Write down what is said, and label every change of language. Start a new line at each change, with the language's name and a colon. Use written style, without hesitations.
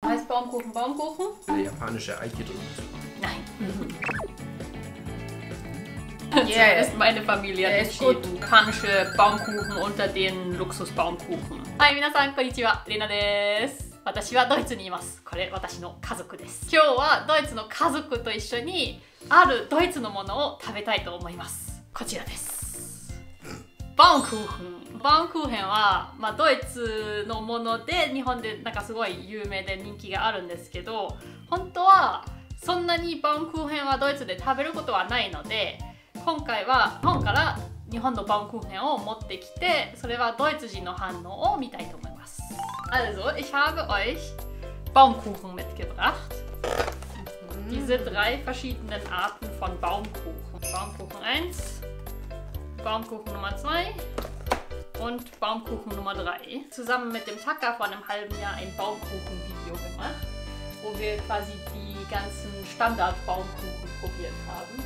German: Baumkuchen, Baumkuchen. Eine japanische Eiche drin. Nein. Ja, yeah. Ist meine Familie. Es gibt japanische Baumkuchen unter den Luxusbaumkuchen.
Japanese: Hi, minasan, konnichiwa. Lena des. 私はドイツにいます。これ私の家族です。今日はドイツの家族と一緒にあるドイツのものを食べたいと思います。こちらです。バウンクーフン。バウンクーフェンは、まあ、ドイツのもので日本でなんかすごい有名で人気があるんですけど、本当はそんなにバウンクーフェンはドイツで食べることはないので、今回は日本から日本のバウンクーフェンを持ってきて、それはドイツ人の反応を見たいと思います。
German: Also, ich habe euch Baumkuchen mitgebracht. Diese drei verschiedenen Arten von Baumkuchen. Baumkuchen 1, Baumkuchen Nummer 2 und Baumkuchen Nummer 3. Zusammen mit dem Taka vor einem halben Jahr ein Baumkuchen-Video gemacht, wo wir quasi die ganzen Standard-Baumkuchen probiert haben.